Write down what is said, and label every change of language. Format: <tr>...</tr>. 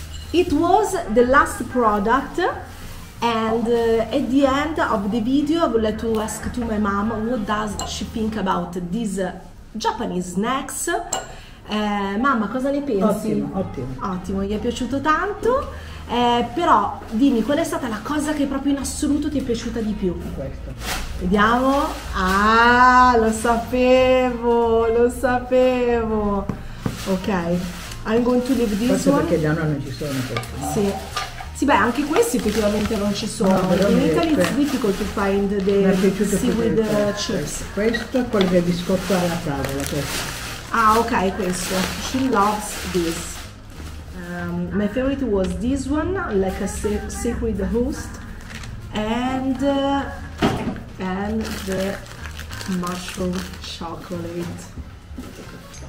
<en>It was the last product, and at the end of the video, I would like to ask to my mom what does she think about these Japanese snacks.</en> <it>Mamma, cosa ne pensi? Ottimo, gli è piaciuto tanto. Però dimmi, qual è stata la cosa che proprio in assoluto ti è piaciuta di più? Questo. Vediamo. Ah, lo sapevo.</it> <en>Ok, I'm going to leave this.</en> <it>Forse</it> <en>one.</en> <it>Perché già non ci sono questi. Sì. Sì, beh, anche questi effettivamente non ci sono.</it> <en>No, in Italy it's difficult to find the seaweed chips.</en> <it>Questo è quello che è biscotto alla tavola. Ah, ok, questo.</it> <en>She loves this. My favorite was this one, like a sacred host, and the mushroom chocolate.</en>